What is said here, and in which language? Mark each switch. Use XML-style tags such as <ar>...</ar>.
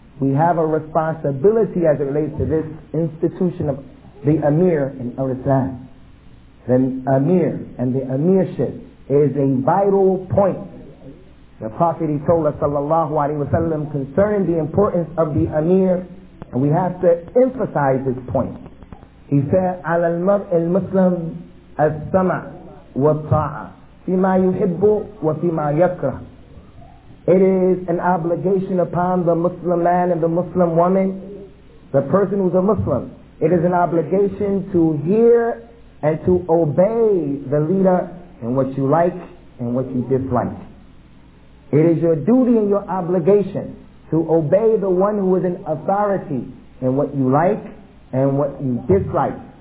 <en>We have a responsibility as it relates to this institution of the Amir in al-Islam. The Amir and the Amirship is a vital point. The Prophet, he told us, sallallahu alayhi wa sallam, concerning the importance of the Amir, And we have to emphasize this point. He said,</en> <ar>"على المرء المسلم السمع والطاعة فيما يحب وفيما يكره."</ar> <en>It is an obligation upon the Muslim man and the Muslim woman, the person who's a Muslim. It is an obligation to hear and to obey the leader in what you like and what you dislike. It is your duty and your obligation to obey the one who is in authority in what you like and what you dislike.</en>